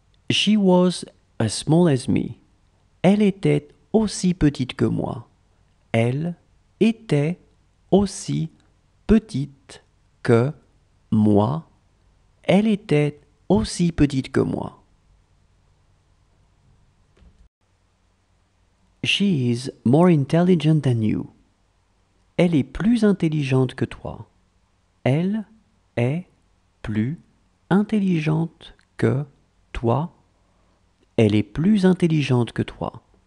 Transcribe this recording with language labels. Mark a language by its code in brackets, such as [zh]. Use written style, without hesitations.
[en] She was as small as me. [fr] Elle était aussi petite que moi. Elle était aussi petite que moi. Elle était aussi petite que moi. [en] She is more intelligent than you. [fr] Elle est plus intelligente que toi. Elle est plus intelligente que toi. Elle est plus intelligente que toi.